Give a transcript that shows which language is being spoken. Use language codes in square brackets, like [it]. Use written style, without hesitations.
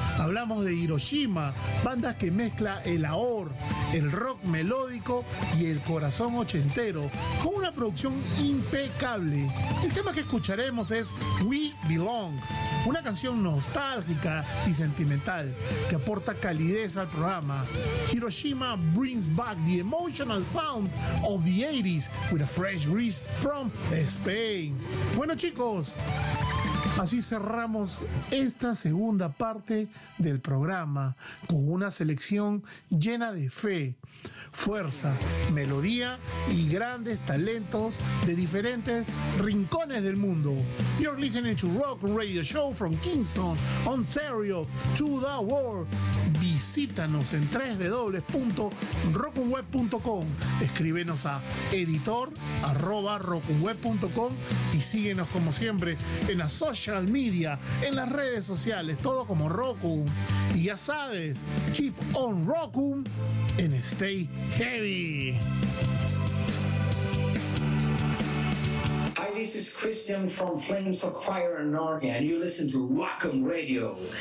[es] Hablamos de Hiroshima, banda que mezcla el ahor, el rock melódico y el corazón ochentero con una producción impecable. El tema que escucharemos es We Belong, una canción nostálgica y sentimental que aporta calidez al programa. [en] Hiroshima brings back the emotional sound of the 80s with a fresh breeze from Spain. [es] Bueno, chicos, así cerramos esta segunda parte del programa con una selección llena de fe, fuerza, melodía y grandes talentos de diferentes rincones del mundo. [en] You're listening to Rock Radio Show from Kingston, Ontario to the world. [es] Visítanos en www.rockweb.com. Escríbenos a editor@rockweb.com y síguenos como siempre en la [en] social media, [es] en las redes sociales, todo como Rock'em. Y ya sabes, [en] keep on Rock'em and stay heavy. Hi, this is Christian from Flames of Fire and Narnia, and you listen to Rock'em Radio.